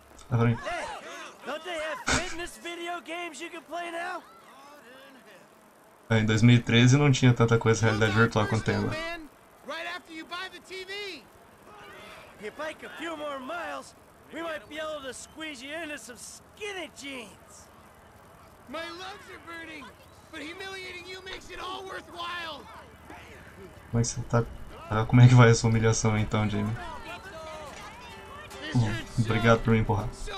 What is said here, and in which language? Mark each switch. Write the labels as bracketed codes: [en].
[en] Hey, don't they have fitness video games you can play now? [pt] Em 2013 não tinha tanta coisa realidade virtual quanto tem agora. [en] Right after you buy the TV. You bike a few more miles, we might be able to squeeze you into some skinny jeans. My lungs are burning, but humiliating you makes it all worthwhile. [pt] Mas você tá... Ah, como é que vai essa humilhação então, Jamie? Obrigado por me empurrar.